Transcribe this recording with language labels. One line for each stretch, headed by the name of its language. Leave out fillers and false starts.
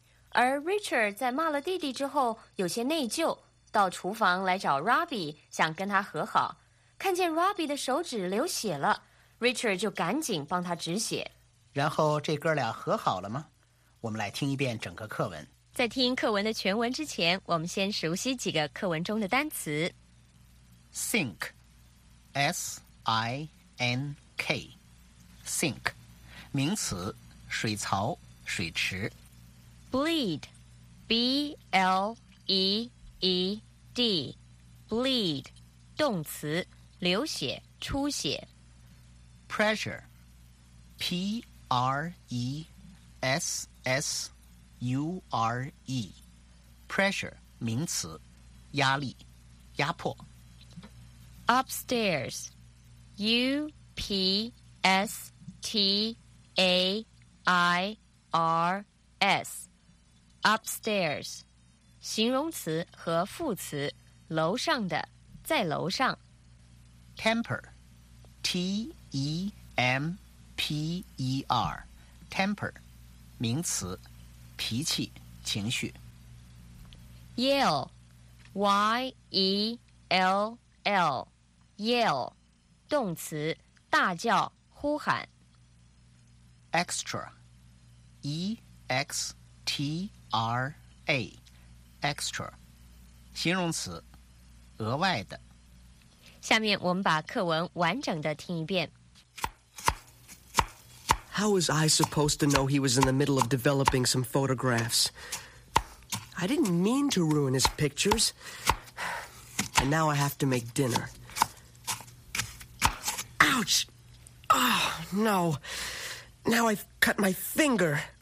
Chinese: 而 Richard 在骂了弟弟之后有些内疚，到厨房来找 Robbie， 想跟他和好。看见 Robbie 的手指流血了， Richard 就赶紧帮他止血。然后这哥俩和好了吗？我们来听一遍整个课文。在听课文的全文之前，我们先熟悉几个课文中的单词。 Sink， S-I-N-K， Sink， 名词，水槽、水池。 Bleed， B-L-E-E-D， Bleed， 动词，流血、出血。 Pressure， P-R-E-S-S-U-R-E， Pressure， 名词，压力、压迫。 Upstairs， U-P-S-T-A-I-R-S， Upstairs，形容词和副词，楼上的，在楼上。 Temper， T-E-M-P-E-R， Temper， 名词，脾气、情绪。 Yell， Y-E-L-L， Yell， 动词，大叫、呼喊。 Extra， E-X-T-R-A，extra， 形容词，额外的。下面我们把课文完整的听一遍。
English: How was I supposed to know he was in the middle of developing some photographs? I didn't mean to ruin his pictures. And now I have to make dinner. Ouch! Oh, no. Now I've cut my finger.